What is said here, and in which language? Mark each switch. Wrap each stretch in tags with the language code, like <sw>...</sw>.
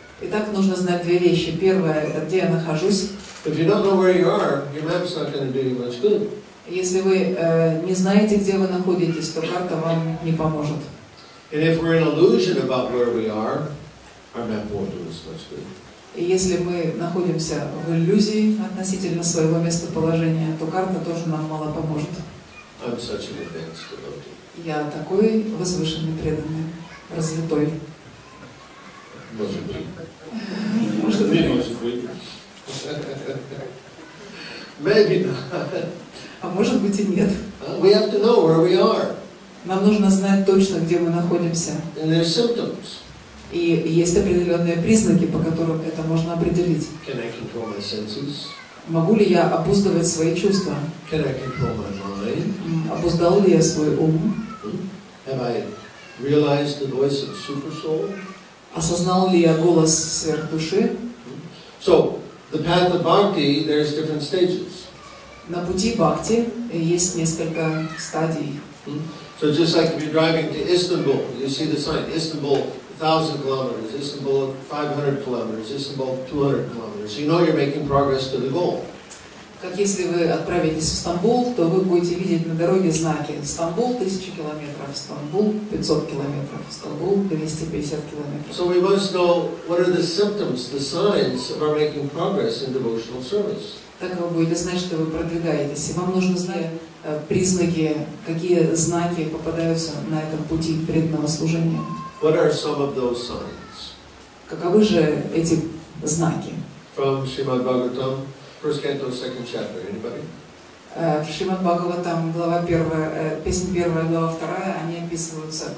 <ru>Итак, нужно знать две вещи. Первое, это где я нахожусь.</ru> <en>If you don't know where you are, your map's not going to do you much good.</en> <ru>Если вы не знаете, где вы находитесь, то карта вам не поможет.</ru> <en>And if we're in illusion about where we are, our map won't do us much good.</en> <ru>И если мы находимся в иллюзии относительно своего местоположения, то карта тоже нам мало поможет.</ru> <en>I'm such an advanced devotee.</en> <ru>Я такой возвышенный преданный, развитой. Может быть. Может быть. Может быть.</ru> <en>Maybe not.</en> <ru>А может быть и нет.</ru> <en>We have to know where we are.</en> <ru>Нам нужно знать точно, где мы находимся.</ru> <en>And there are symptoms.</en> <ru>И есть определенные признаки, по которым это можно определить.</ru> <en>Can I control my senses?</en> <ru>Могу ли я обуздывать свои чувства?</ru> <en>Can I control my mind?</en> <ru>Обуздал ли я свой ум?</ru> <en>Have I realized the voice of super soul?</en> <ru>Осознал ли я голос сверхдуши?</ru> <en>So, the path of bhakti, there's different stages.</en> <ru>На пути бхакти есть несколько стадий.</ru> <en>So just like if you're driving to Istanbul, you see the sign, Istanbul 1,000 kilometers, Istanbul 500 kilometers, Istanbul 200 kilometers. You know you're making progress to the goal.</en> <ru>Как если вы отправитесь в Стамбул, то вы будете видеть на дороге знаки Стамбул 1000 километров, Стамбул 500 километров, Стамбул 250 километров.</ru> <en>So we must know what are the symptoms, the signs of our making progress in devotional service.</en> <ru>Так вы будете знать, что вы продвигаетесь. И вам нужно знать признаки, какие знаки попадаются на этом пути преданного служения.</ru> <en>What are some of those signs?</en> <ru>Каковы же эти знаки?</ru> <en>From Srimad Bhagavatam, first canto, second chapter. Anybody?</en> <ru>Srimad Bhagavatam, глава первая, песня первая, глава вторая, они описываются.</ru>